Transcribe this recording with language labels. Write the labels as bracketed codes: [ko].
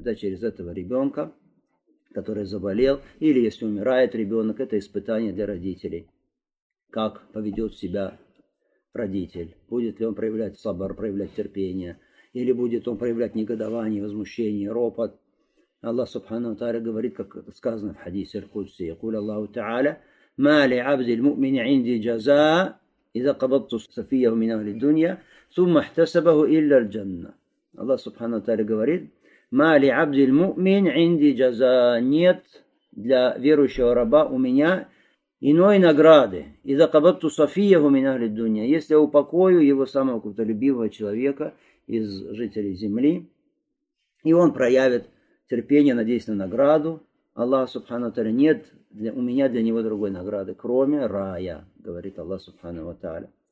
[ru] Да, через этого ребенка, который заболел, или если умирает ребенок, это испытание для родителей. Как поведет себя родитель? Будет ли он проявлять сабр, проявлять терпение? Или будет он проявлять негодование, возмущение, ропот? Аллах Субхану ва Тааля говорит, как сказано в хадисе Аль-Кудси, [ar] يقول الله تعالى: ما لعبد المؤمن عندي جزاء إذا قبضت سفيه من أهل الدنيا ثم احتسبه إلا الجنة. [ru] Аллах Субхану ва Тааля говорит: [ar] ما لعبد المؤمن عندي جزاء. [ru] Нет для верующего раба у меня иной награды. [ar] إذا قبضت سفيه من أهل الدنيا. [ru] Если я упокою его самого какого-то любимого человека из жителей земли, и он проявит терпение, надеюсь на награду Аллаха Субхану ва Тааля, нет для, у меня для него другой награды, кроме рая, говорит Аллах Субхану ва Тааля.